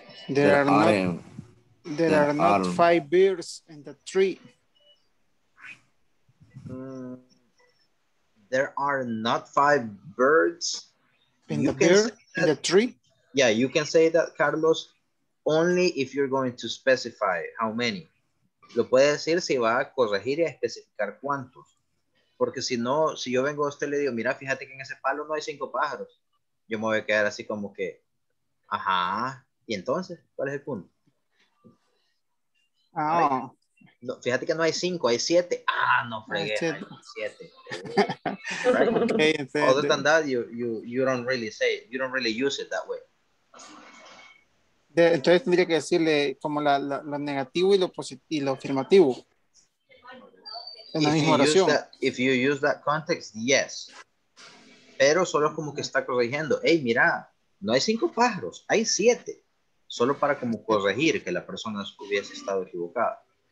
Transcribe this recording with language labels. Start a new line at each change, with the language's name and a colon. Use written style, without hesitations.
English: There are not five bears in the tree. There are not five birds. In you the bear, in the tree? Yeah, you can say that, Carlos, only if you're going to specify how many.
Spanish: Lo puede decir si va a corregir y a especificar cuántos. Porque si no, si yo vengo a usted y le digo, mira, fíjate que en ese palo no hay cinco pájaros. Yo me voy a quedar así como que, ajá. ¿Y entonces? ¿Cuál es el punto? Ah. No, fíjate que no hay cinco, hay siete. Ah, no fregué, siete.
English: Right? Okay, other than that, you don't really say it. You don't really use it that way.
Spanish: Entonces tendría que decirle como la negativo y lo afirmativo. En la misma oración.
English: If you use that context, yes.
Spanish: Pero solo como que está corrigiendo. Hey, mira, no hay cinco pájaros, hay siete. Solo para como corregir que la persona hubiese estado equivocada.